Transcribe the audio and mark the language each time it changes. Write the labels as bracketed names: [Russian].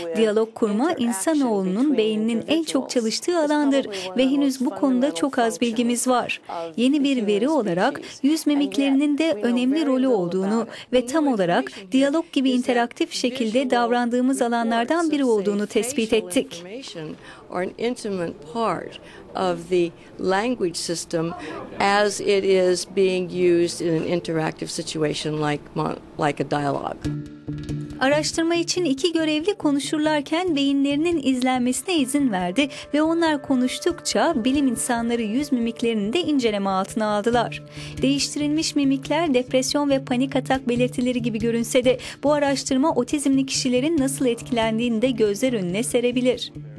[Turkish] Diyalog kurma insanoğlunun beyninin en çok çalıştığı alandır ve henüz bu konuda çok az bilgimiz var. Yeni bir veri olarak yüz mimiklerinin de önemli rolü olduğunu ve tam olarak diyalog gibi interaktif şekilde davrandığımız alanlardan biri olduğunu tespit ettik. [English] Or an intimate part of the language system as it is being used in an interactive situation like a dialogue. [Turkish] Araştırma için iki görevli konuşurlarken beyinlerinin izlenmesine izin verdi ve onlar konuştukça bilim insanları yüz mimiklerini de inceleme altına aldılar. Değiştirilmiş mimikler depresyon ve panik atak belirtileri gibi görünse de bu araştırma otizmli kişilerin nasıl etkilendiğini de gözler önüne serebilir.